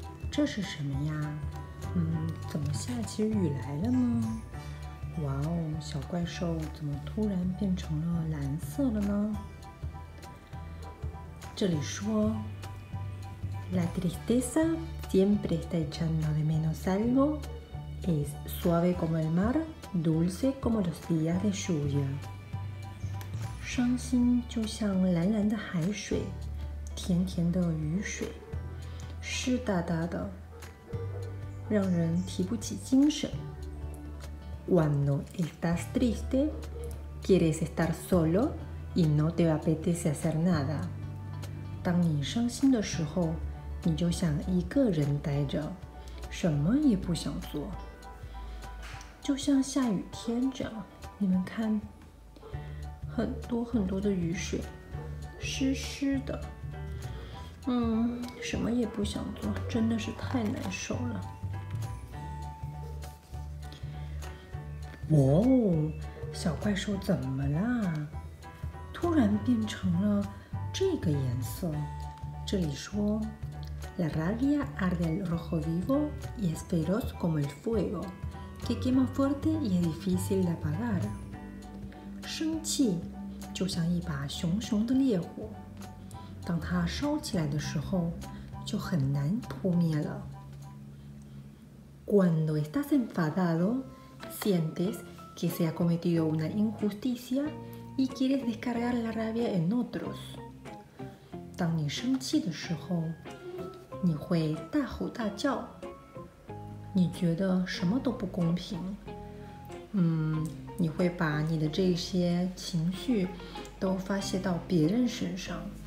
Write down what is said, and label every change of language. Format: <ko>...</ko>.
<zh>这是什么呀？怎么下起雨来了呢？哇哦，小怪兽怎么突然变成了蓝色了呢？这里说</zh> <es>La tristeza siempre está echando de menos algo. Es suave como el mar, dulce como los días de lluvia.</es> <zh>伤心就像蓝蓝的海水，甜甜的雨水，湿哒哒的，让人提不起精神。</zh> <es>Cuando estás triste, quieres estar solo y no te apetece hacer nada.</es> <zh>当你伤心的时候，你就想一个人待着，什么也不想做。就像下雨天这样，你们看，很多很多的雨水，湿湿的，什么也不想做，真的是太难受了。哇哦，小怪兽怎么了？突然变成了这个颜色。这里说</zh> <es>La rabia arde al rojo vivo y es feroz como el fuego, que quema fuerte y es difícil de apagar.</es> <zh>生气就像一把熊熊的烈火，当它烧起来的时候，就很难扑灭了。</zh> <es>Cuando estás enfadado, sientes que se ha cometido una injusticia y quieres descargar la rabia en otros.</es> <zh>当你生气的时候，你会大吼大叫。你觉得什么都不公平。你会把你的这些情绪都发泄到别人身上。</zh>